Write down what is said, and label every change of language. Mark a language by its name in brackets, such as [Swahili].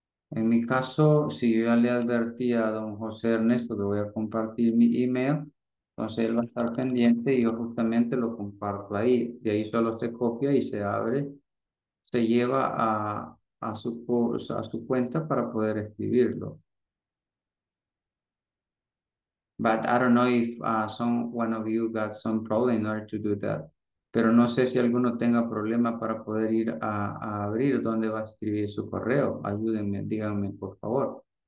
[Spanish] En mi caso, si yo ya le advertí a don José Ernesto que voy a compartir mi email, entonces él va a estar pendiente y yo justamente lo comparto ahí. De ahí solo se copia y se abre, se lleva a su cuenta para poder escribirlo. [English] But I don't know if one of you got some problem in order to do that. [Spanish] Pero no sé si alguno tenga problema para poder ir a abrir dónde va a escribir su correo. Ayúdenme, díganme, por favor.